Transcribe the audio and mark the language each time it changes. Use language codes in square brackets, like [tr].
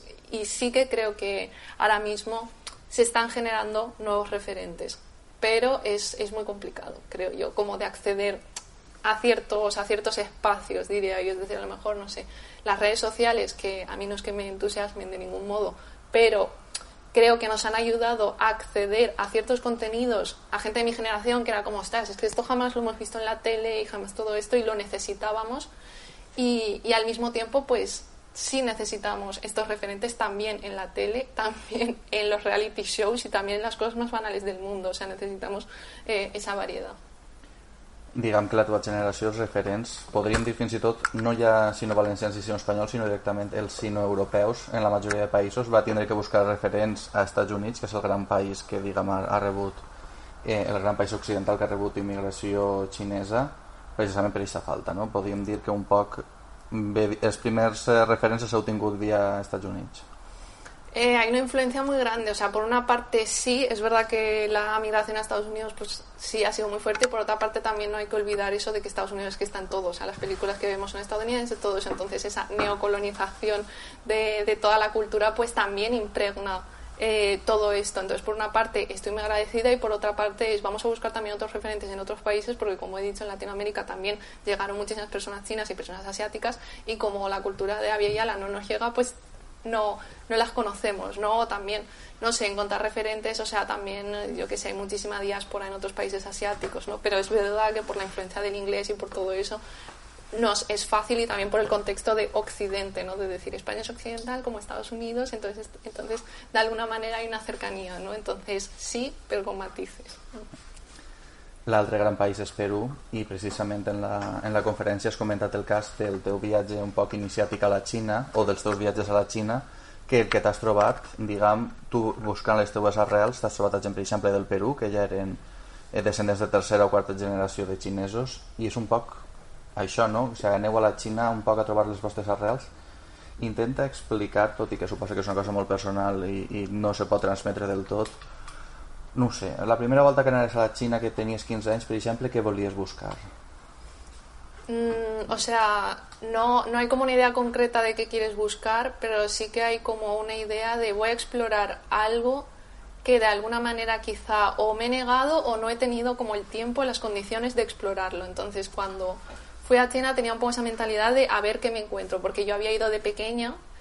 [es] Y sí que creo que ahora mismo se están generando nuevos referentes, pero es muy complicado, creo yo, como de acceder a ciertos espacios, diría yo. Es decir, a lo mejor, no sé, las redes sociales, que a mí no es que me entusiasmen de ningún modo, pero creo que nos han ayudado a acceder a ciertos contenidos, a gente de mi generación, que era como, ostras, es que esto jamás lo hemos visto en la tele y jamás todo esto, y lo necesitábamos, y al mismo tiempo, pues sí necesitamos estos referentes también en la tele, también en los reality shows y también en las cosas más banales del mundo. O sea, necesitamos esa variedad. [ca] Diguem que la teva generació, els referents, podríem dir fins i tot, no ja sinó valencians i sinó espanyols, sinó directament els sinó europeus, en la majoria de països, va tindre que buscar referents a Estats Units, que és el gran país que, diguem, ha rebut, el gran país occidental que ha rebut immigració xinesa, precisament per aquesta falta, no? Podríem dir que un poc bé, els primers referents s'heu tingut via Estats Units. [es] Hay una influencia muy grande, o sea, por una parte sí, es verdad que la migración a Estados Unidos pues sí ha sido muy fuerte, y por otra parte también no hay que olvidar eso de que Estados Unidos es que está en todo, o sea, las películas que vemos son estadounidenses, todo eso, entonces esa neocolonización de toda la cultura pues también impregna todo esto. Entonces, por una parte estoy muy agradecida, y por otra parte es vamos a buscar también otros referentes en otros países, porque como he dicho, en Latinoamérica también llegaron muchísimas personas chinas y personas asiáticas, y como la cultura de Abya Yala no nos llega, pues no las conocemos, ¿no? También, no sé, encontrar referentes, o sea, también, yo que sé, hay muchísima diáspora en otros países asiáticos, ¿no? Pero es verdad que por la influencia del inglés y por todo eso nos es fácil, y también por el contexto de Occidente, ¿no? De decir, España es occidental como Estados Unidos, entonces de alguna manera hay una cercanía, ¿no? Entonces, sí, pero con matices, ¿no? [ca] L'altre gran país és Perú, i precisament en la conferència has comentat el cas del teu viatge un poc iniciàtic a la Xina, o dels teus viatges a la Xina, que el que t'has trobat, diguem, tu buscant les teues arrels, t'has trobat, per exemple, del Perú, que ja eren descendents de tercera o quarta generació de xinesos, i és un poc això, no? O sigui, aneu a la Xina un poc a trobar les vostres arrels. Intenta explicar, tot i que suposa que és una cosa molt personal i no se pot transmetre del tot, no sé, la primera volta que anaves a la Xina, que tenies 15 anys, per exemple, què volies buscar? [es] O sea, no hay como una idea concreta de qué quieres buscar, pero sí que hay como una idea de voy a explorar algo que de alguna manera quizá o me he negado o no he tenido como el tiempo y las condiciones de explorarlo. Entonces, cuando fui a China tenía un poco esa mentalidad de a ver qué me encuentro, porque yo había ido de pequeña.